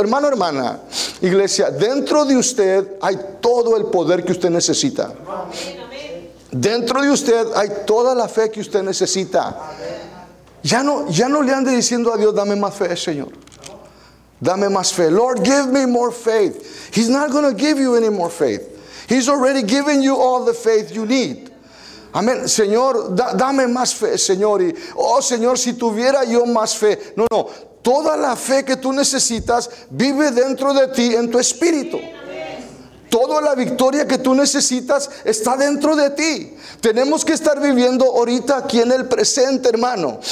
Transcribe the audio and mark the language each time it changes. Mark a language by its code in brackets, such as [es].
[es] Hermano, hermana, iglesia, dentro de usted hay todo el poder que usted necesita. Dentro de usted hay toda la fe que usted necesita. Ya no le ande diciendo a Dios, dame más fe, Señor. Dame más fe. [en] Lord, give me more faith. He's not going to give you any more faith. He's already given you all the faith you need. [es] Amén. Señor, dame más fe, Señor. Y, oh, Señor, si tuviera yo más fe. No, no. Toda la fe que tú necesitas vive dentro de ti, en tu espíritu. Toda la victoria que tú necesitas está dentro de ti. Tenemos que estar viviendo ahorita aquí en el presente, hermano.